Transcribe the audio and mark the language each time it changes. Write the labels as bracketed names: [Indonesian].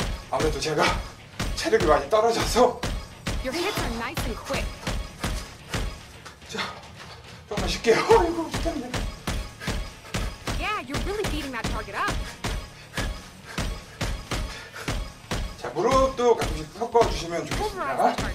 [Korean] 아무래도 제가 체력이 많이 떨어져서 [English] Your hits are nice and quick. [Korean] 자, 조금만 쉴게요. 아이고, 짜증나. [English] Yeah, you're really beating that target up. [Korean] 자, 무릎도 가끔씩 섞어주시면 좋겠습니다.